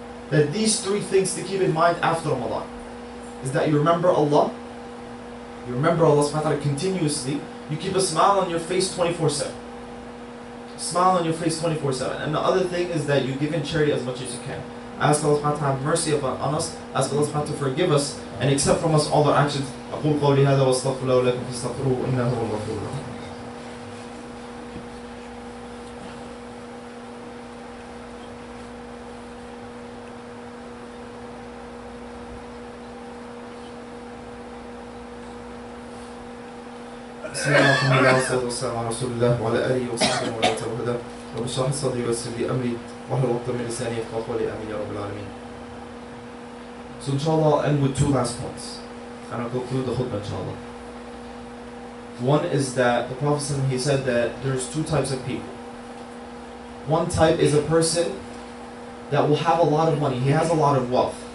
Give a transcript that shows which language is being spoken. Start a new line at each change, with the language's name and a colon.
English: That these three things to keep in mind after Ramadan is that you remember Allah. You remember Allah subhanahu wa ta'ala continuously. You keep a smile on your face 24/7. Smile on your face 24/7. And the other thing is that you give in charity as much as you can. Ask Allah subhanahu wa ta'ala to have mercy upon us. Ask Allah subhanahu wa ta'ala to forgive us and accept from us all our actions.
Arabic: أقول قولي هذا واستغفر الله لكم فاستغفروه إنه هو الغفور الرحيم. بسم الله الرحمن الرحيم والصلاة والسلام على رسول الله وعلى آله وصحبه ولا تبهد وبشرح صدري ويسر لي أمري وحل الوقت من لساني يفقه قولي آمين يا رب العالمين.
English: So inshallah I'll end with two last points and I'll go through the khutbah inshallah. One is that the Prophet ﷺ, he said that there's two types of people. One type is a person that will have a lot of money, he has a lot of wealth.